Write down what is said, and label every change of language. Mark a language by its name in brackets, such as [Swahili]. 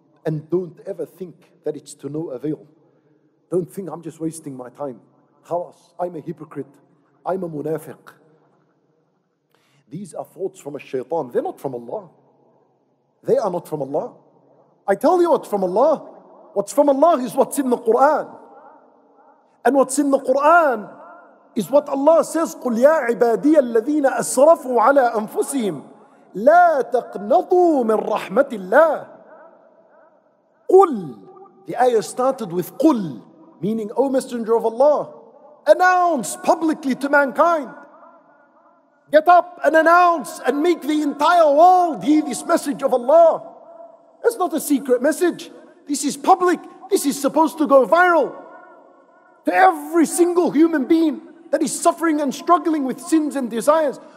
[English] And don't ever think that it's to no avail. Don't think I'm just wasting my time. Khalas, I'm a hypocrite. I'm a munafiq. These are thoughts from a shaytan. They're not from Allah. They are not from Allah. I tell you what's from Allah. What's from Allah is what's in the Quran. And what's in the Quran is what Allah says, [Arabic] قُلْ يَا عِبَادِيَ الَّذِينَ أَسْرَفُوا عَلَىٰ أَنفُسِهِمْ لَا تَقْنَطُوا مِنْ رَحْمَةِ اللَّهِ قُلْ. [English] The ayah started with قُلْ, meaning, O Messenger of Allah, announce publicly to mankind. Get up and announce and make the entire world hear this message of Allah. It's not a secret message. This is public. This is supposed to go viral to every single human being that is suffering and struggling with sins and desires.